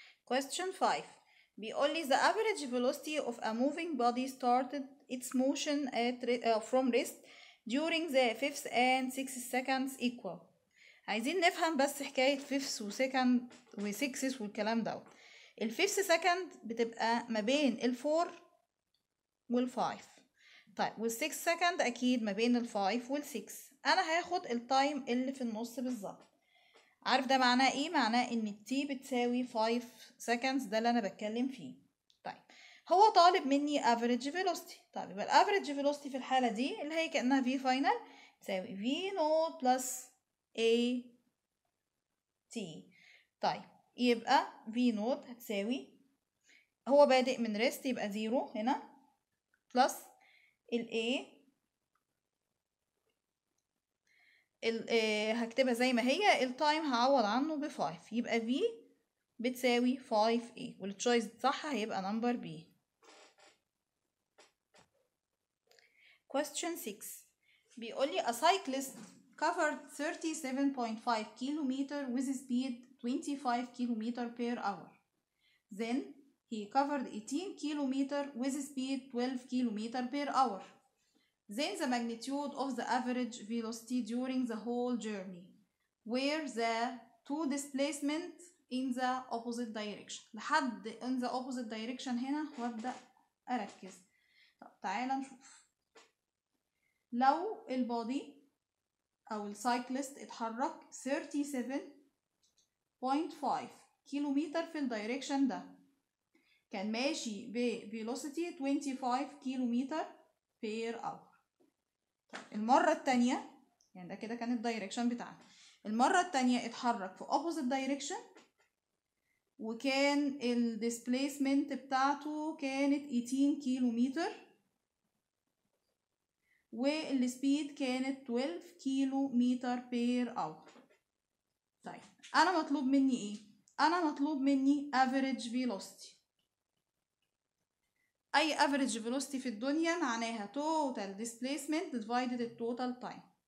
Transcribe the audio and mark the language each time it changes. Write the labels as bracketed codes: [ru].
[en] question 5 [ar] بيقول لي [en] the average velocity of a moving body started its motion at from rest during the 5th and 6th seconds equal. [ar] عايزين نفهم بس حكاية 5th و 2nd و 6th والكلام ده. ال 5th second بتبقى ما بين ال 4 وال 5. طيب وال 6th second أكيد ما بين ال 5 وال 6. أنا هاخد التايم اللي في النص بالظبط. عارف ده معناه إيه؟ معناه إن T بتساوي 5 seconds، ده اللي أنا بتكلم فيه. طيب هو طالب مني average velocity. طيب يبقى average velocity في الحالة دي اللي هي كأنها V final تساوي V naught plus A T. طيب يبقى V naught هتساوي، هو بادئ من rest يبقى 0 هنا، plus ال A هكتبها زي ما هي، التايم هعوض عنه ب 5، يبقى V بتساوي 5A، والتشويس صح هيبقى نمبر B. [en] question 6 [ar] بيقول لي [en] a cyclist covered 37.5 kilometre with speed 25 kilometre per hour then he covered 18 kilometre with speed 12 kilometre per hour then the magnitude of the average velocity during the whole journey where the two displacement in the opposite direction. [ar] لحد [en] in the opposite direction [ar] هنا وابدأ اركز. طب تعالى نشوف، لو البودي او السايكلست اتحرك 37.5 كيلومتر في الدايركشن ده، كان ماشي ب velocity 25 كيلومتر per hour. المرة التانية يعني ده كده كان الدايركشن بتاعنا، المرة التانية اتحرك في opposite direction وكان الديسبليسمنت بتاعته كانت 18 كيلومتر والسبيد كانت 12 كيلو متر بير اور. طيب انا مطلوب مني ايه؟ انا مطلوب مني average velocity. اي average velocity في الدنيا معناها [en] total displacement divided the total time.